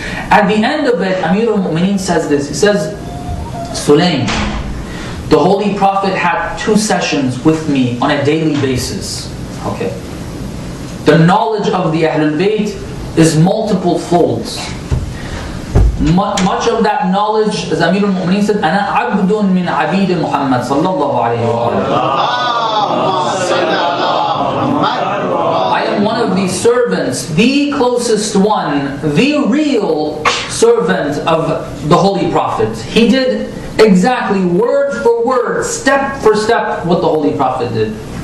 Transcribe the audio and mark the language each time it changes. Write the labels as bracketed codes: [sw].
[en] At the end of it, Amir al-Mu'minin says this. He says, Sulaym, the Holy Prophet had two sessions with me on a daily basis. Okay. The knowledge of the Ahlul Bayt is multiple folds. much of that knowledge, as Amir al-Mu'mineen said, [ar] أنا عبد من عبيد محمد صلى الله عليه وسلم. [en] I am one of the servants, the closest one, the real servant of the Holy Prophet. He did exactly word for word, step for step, what the Holy Prophet did.